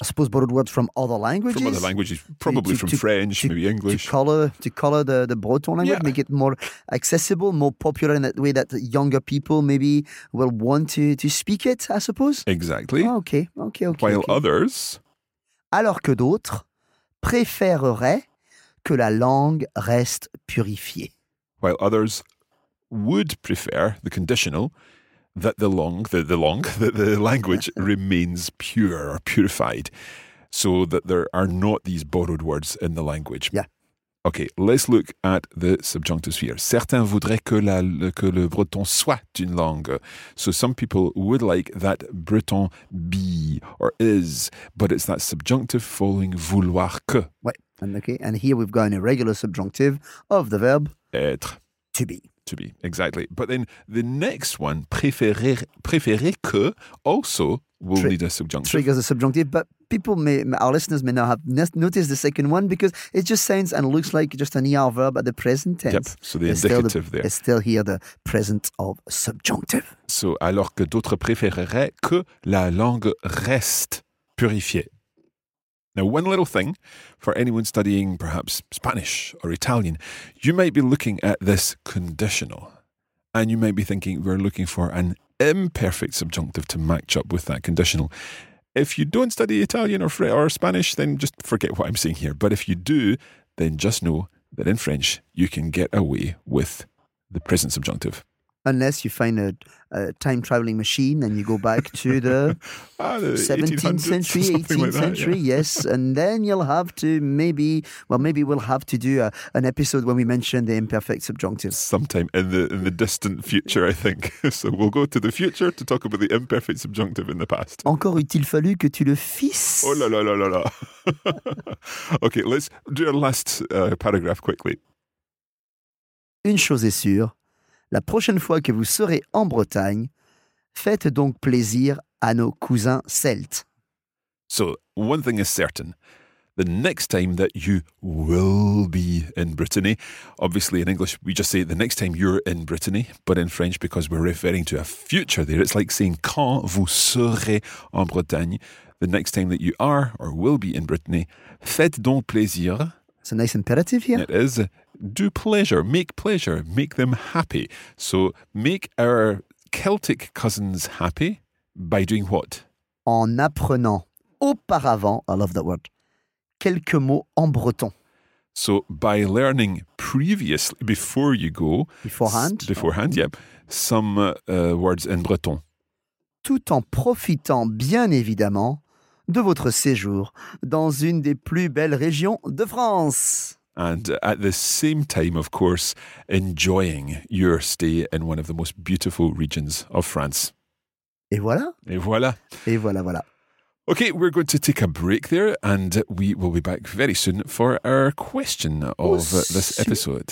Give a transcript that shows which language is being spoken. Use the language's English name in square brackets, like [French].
[English] I suppose borrowed words from other languages? From other languages, probably from French, maybe English. To color the breton language, yeah. Make it more accessible, more popular in that way that younger people maybe will want to speak it, I suppose? Exactly. Oh, okay. While others... [French] Alors que d'autres préféreraient que la langue reste purifiée. [English] While others would prefer the conditional that the language remains pure or purified so that there are not these borrowed words in the language. Yeah. Okay, let's look at the subjunctive sphere. [French] Certains voudraient que le breton soit une langue. [English] So some people would like that breton be or is, but it's that subjunctive following [French] vouloir que. Ouais. [English] And here we've got an irregular subjunctive of the verb [French] être. [English] To be. To be, exactly. But then the next one, [French] préférer que, [English] also will need a subjunctive. Triggers a subjunctive, but our listeners may not have noticed the second one because it just sounds and looks like just an ER verb at the present tense. Yep, so the indicative there. It's still here, the present of subjunctive. [French] So, alors que d'autres préféreraient que la langue reste purifiée. [English] Now, one little thing for anyone studying perhaps Spanish or Italian, you might be looking at this conditional and you might be thinking we're looking for an imperfect subjunctive to match up with that conditional. If you don't study Italian or Spanish, then just forget what I'm saying here. But if you do, then just know that in French, you can get away with the present subjunctive. Unless you find a time-traveling machine and you go back to the 17th century, 18th century, yeah. Yes. And then you'll have to maybe we'll have to do an episode when we mention the imperfect subjunctive. Sometime in the distant future, I think. So we'll go to the future to talk about the imperfect subjunctive in the past. [French] Encore eut-il fallu que tu le fisses? Oh là là là là là. [English] Okay, let's do our last paragraph quickly. [French] Une chose est sûre. La prochaine fois que vous serez en Bretagne, faites donc plaisir à nos cousins celtes. [English] So, one thing is certain. The next time that you will be in Brittany, obviously in English we just say the next time you're in Brittany, but in French because we're referring to a future there, it's like saying [French] quand vous serez en Bretagne, [English] the next time that you are or will be in Brittany, [French] faites donc plaisir. [English] It's a nice imperative here. It is. Do pleasure, make them happy. So make our Celtic cousins happy by doing what? [French] En apprenant auparavant, [English] I love that word, [French] quelques mots en breton. [English] So by learning previously, before you go. Beforehand, yep. Some words in breton. [French] Tout en profitant bien évidemment de votre séjour dans une des plus belles régions de France. [English] And at the same time, of course, enjoying your stay in one of the most beautiful regions of France. [French] Et voilà. Et voilà. Et voilà, voilà. [English] Okay, we're going to take a break there and we will be back very soon for our question of this episode.